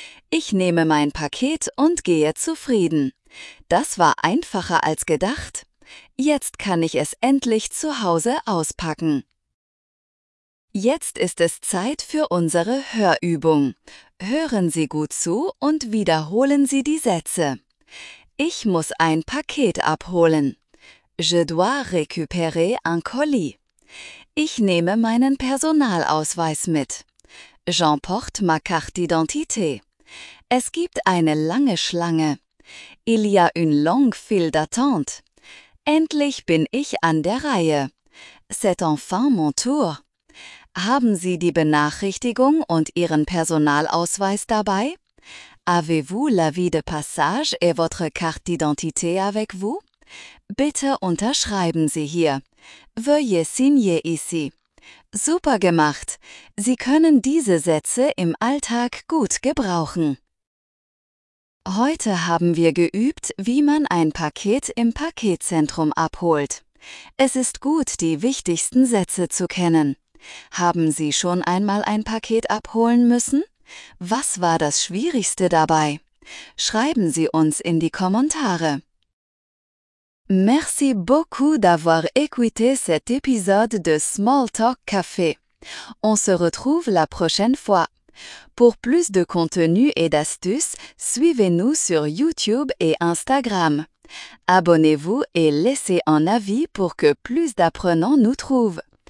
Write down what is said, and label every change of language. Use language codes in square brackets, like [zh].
[de] Ich nehme mein Paket und gehe zufrieden. Das war einfacher als gedacht. Jetzt kann ich es endlich zu Hause auspacken. Jetzt ist es Zeit für unsere Hörübung. Hören Sie gut zu und wiederholen Sie die Sätze. Ich muss ein Paket abholen. [fr] Je dois récupérer un colis. [de] Ich nehme meinen Personalausweis mit. [fr] J'emporte ma carte d'identité. [de] Es gibt eine lange Schlange. [fr] Il y a une longue file d'attente. [de] Endlich bin ich an der Reihe. [fr] C'est enfin mon tour. [de] Haben Sie die Benachrichtigung und Ihren Personalausweis dabei? [fr] Avez-vous l'avis de passage et votre carte d'identité avec vous? [de] Bitte unterschreiben Sie hier. [fr] Veuillez signer ici. [de] Super gemacht! Sie können diese Sätze im Alltag gut gebrauchen. Heute haben wir geübt, wie man ein Paket im Paketzentrum abholt. Es ist gut, die wichtigsten Sätze zu kennen. Haben Sie schon einmal ein Paket abholen müssen? Was war das Schwierigste dabei? Schreiben Sie uns in die Kommentare. [fr] Merci beaucoup d'avoir écouté cet épisode de Small Talk Café. On se retrouve la prochaine fois. Pour plus de contenu et d'astuces, suivez-nous sur YouTube et Instagram. Abonnez-vous et laissez un avis pour que plus d'apprenants nous trouvent.